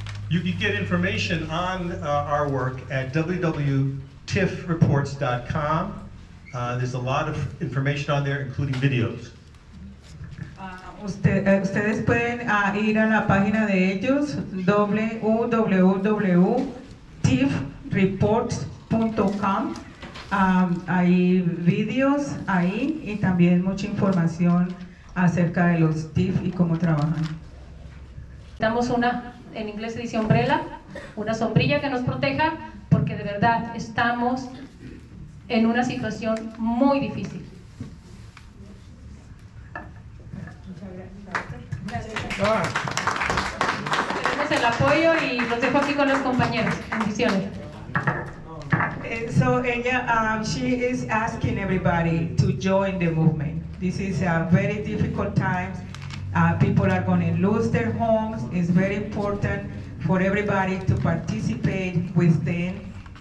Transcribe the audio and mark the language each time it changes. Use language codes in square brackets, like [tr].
[en] You can get information on our work at www.tiffreports.com. There's a lot of information on there, including videos. [es] Ustedes pueden ir a la página de ellos, www.tiffreports.com. Hay videos ahí y también mucha información acerca de los TIF y cómo trabajan. Damos una, en inglés se dice umbrella, una sombrilla que nos proteja, porque de verdad estamos en una situación muy difícil. Tenemos el apoyo y los dejo aquí con los compañeros. Bendiciones. [en] So ella, she is asking everybody to join the movement. This is a very difficult time. People are going to lose their homes. It's very important for everybody to participate within.